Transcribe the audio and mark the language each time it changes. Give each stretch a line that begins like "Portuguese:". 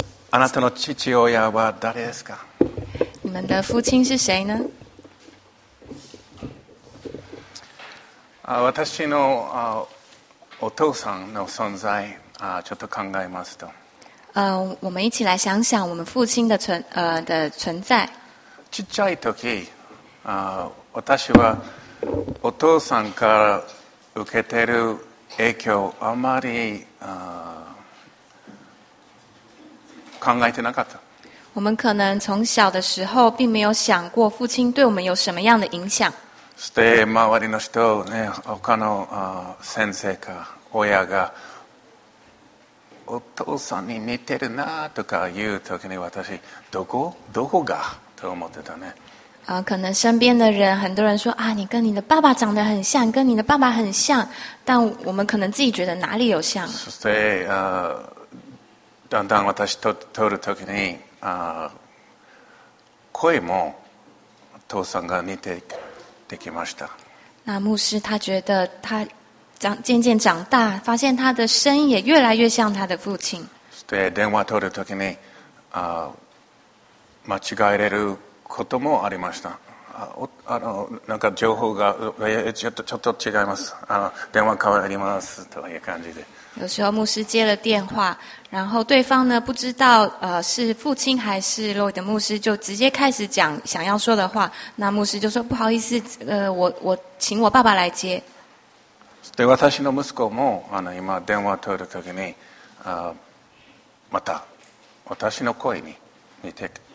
Japanese: あなたの父親は誰ですか？
Chinese: 你们的父亲是谁呢？
Japanese: 私のお父さんの存在ちょっと考えますと、
Chinese: 我们一起来想想我们父亲的 存在。
Japanese: ちっちゃい時、私はお父さんから受けてる影響あまり考えてなかった。
Chinese: 我们可能从小的时候并没有想过父亲对我们有什么样的影响。
Japanese: して周りの人ね、他の先生か親がお父さんに似てるなとか言う時に私どこが。と思ってたね。
Chinese: 可能身边的人很多人说啊，你跟你的爸爸长得很像，跟你的爸爸很像，但我们可能自己觉得哪里有像。
Japanese: そして、だんだん私と撮るときに、声も父さんが似てできました。
Chinese: 那牧师他觉得他渐渐长大，发现他的声音也越来越像他的父亲。
Japanese: そして電話撮るときに、間違えれることもありました。なんか情報がちょっと違います。電話変わりますという感じで。
Chinese: 有时候牧师接了电话，然后对方呢不知道是父亲还是洛伊的牧师，就直接开始讲想要说的话。那牧师就说不好意思，我请我爸爸来接。
Japanese: で私の息子も今電話取るときにまた私の声に似て。